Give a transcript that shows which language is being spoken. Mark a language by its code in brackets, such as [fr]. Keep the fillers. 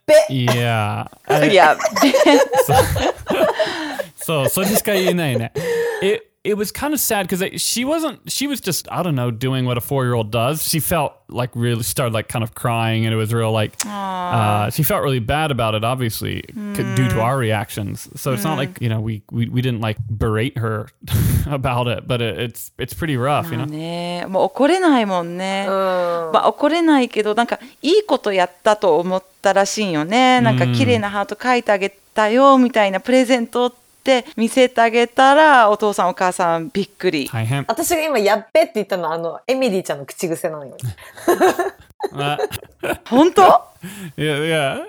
[ja] べいややっべ そうそうそれしか言えないねえ。 [en] t it was kind of sad because she wasn't she was just i don't know doing what a four-year-old does she felt like really started like kind of crying and it was real like oh. uh, she felt really bad about it obviously mm. due to our reactions so mm. it's mm. not like you know we, we we didn't like berate her about it but it, it's it's pretty rough you know [ja] まあ、怒れないもんね。まあ、怒れないけど、なんかいいことやったと思ったらしいよね。なんか綺麗なハート書いてあげたよみたいなプレゼント。 Uh, mm. っ見せてあげたらお父さんお母さんびっくり私が今「やっべ」って言ったのはあのエミリーちゃんの口癖なのよ本当 [en] Yeah, yeah.